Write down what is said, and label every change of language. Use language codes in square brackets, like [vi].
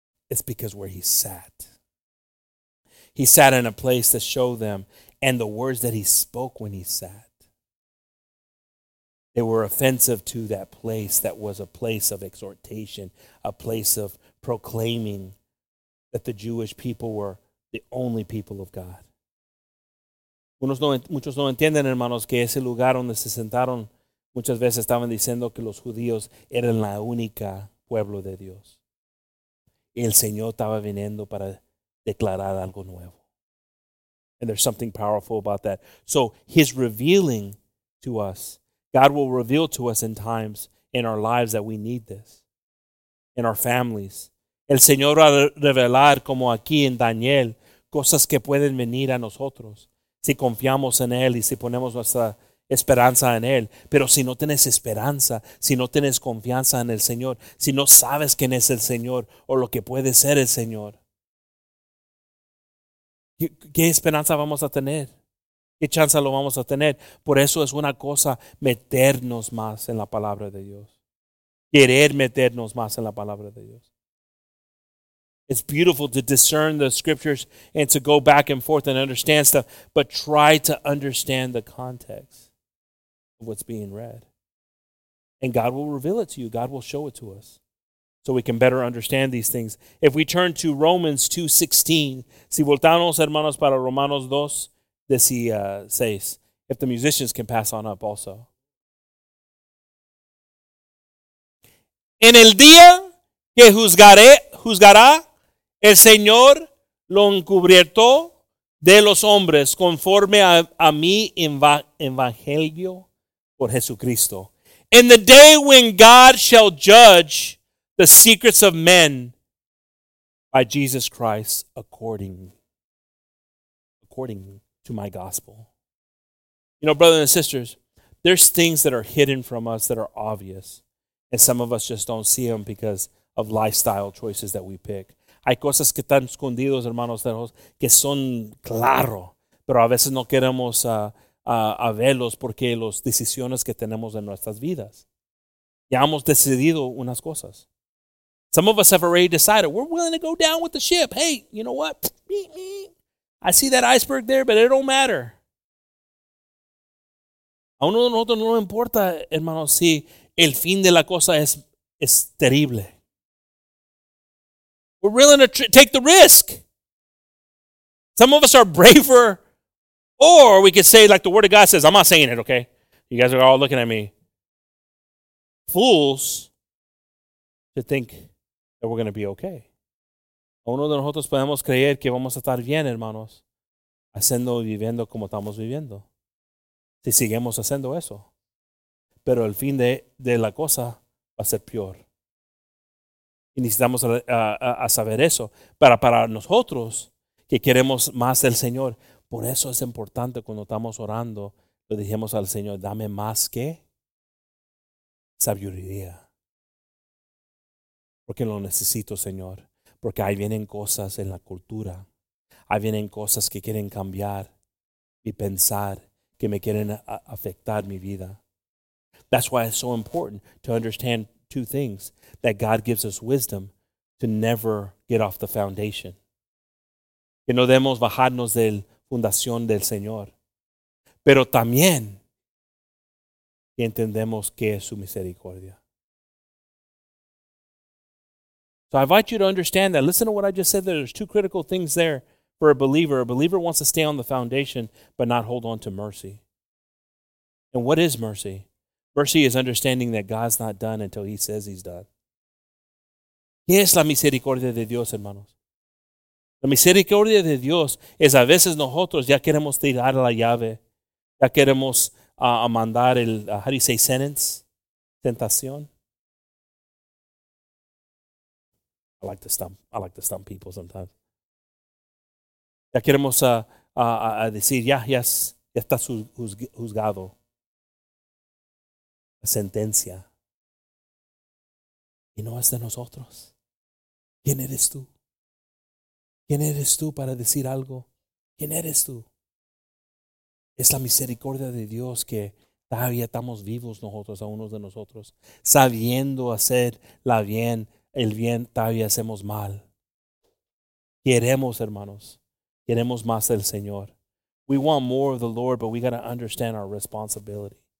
[en] It's because where he sat. He sat in a place to show them, and the words that he spoke when he sat, they were offensive to that place that was a place of exhortation, a place of proclaiming that the Jewish people were the only people of God. [es] Muchos no entienden, hermanos, que ese lugar donde se sentaron muchas veces estaban diciendo que los judíos eran la única pueblo de Dios. Y el Señor estaba viniendo para declarar algo nuevo. [en] And there's something powerful about that. So his revealing to us, God will reveal to us in times in our lives that we need this, in our families. [es] El Señor va a revelar, como aquí en Daniel, cosas que pueden venir a nosotros. Si confiamos en Él y si ponemos nuestra esperanza en Él. Pero si no tienes esperanza, si no tienes confianza en el Señor, si no sabes quién es el Señor o lo que puede ser el Señor, ¿qué esperanza vamos a tener? ¿Qué chance lo vamos a tener? Por eso es una cosa meternos más en la palabra de Dios. Querer meternos más en la palabra de Dios. [en] It's beautiful to discern the scriptures and to go back and forth and understand stuff, but try to understand the context of what's being read. And God will reveal it to you. God will show it to us so we can better understand these things. If we turn to Romans 2:16, [es] si voltamos, hermanos, para Romanos 2:16, [en] if the musicians can pass on up also. [es] En el día que juzgará, el Señor lo encubierto de los hombres conforme a mi evangelio por Jesucristo. [en] In the day when God shall judge the secrets of men by Jesus Christ according to my gospel. You know, brothers and sisters, there's things that are hidden from us that are obvious. And some of us just don't see them because of lifestyle choices that we pick. [es] Hay cosas que están escondidos, hermanos, que son claro, pero a veces no queremos a verlos porque las decisiones que tenemos en nuestras vidas. Ya hemos decidido unas cosas. [en] Some of us have already decided, we're willing to go down with the ship. Hey, you know what? I see that iceberg there, but it don't matter. [es] A uno de nosotros no importa, hermanos, si el fin de la cosa es terrible. [en] We're willing to take the risk. Some of us are braver. Or we could say, like the Word of God says, I'm not saying it, okay? You guys are all looking at me. Fools to think that we're going to be okay. [es] Uno de nosotros podemos creer que vamos a estar bien, hermanos, haciendo y viviendo como estamos viviendo. Si seguimos haciendo eso. Pero el fin de la cosa va a ser peor. Y necesitamos a saber eso. Para nosotros, que queremos más del Señor. Por eso es importante cuando estamos orando, le dijimos al Señor, dame más que sabiduría. Porque lo necesito, Señor. Porque ahí vienen cosas en la cultura. Ahí vienen cosas que quieren cambiar y pensar que me quieren afectar mi vida. [en] That's why it's so important to understand two things, that God gives us wisdom to never get off the foundation. [es] Que no debemos bajarnos de la fundación del Señor. Pero también que entendemos que es su misericordia. [en] So I invite you to understand that. Listen to what I just said. There's two critical things there for a believer. A believer wants to stay on the foundation but not hold on to mercy. And what is mercy? Mercy is understanding that God's not done until he says he's done. [es] ¿Qué es la misericordia de Dios, hermanos? La misericordia de Dios es a veces nosotros ya queremos tirar la llave. Ya queremos mandar el, [en] how do you say, sentence? [es] Tentación. [en] I like to stump people sometimes. [es] Ya queremos decir, ya está juzgado. Sentencia. Y no es de nosotros. ¿Quién eres tú? ¿Quién eres tú para decir algo? ¿Quién eres tú? Es la misericordia de Dios que todavía estamos vivos nosotros, a unos de nosotros, sabiendo hacer la bien, el bien, todavía hacemos mal. Queremos, hermanos, queremos más del Señor. [en] We want more of the Lord, but we got to understand our responsibility.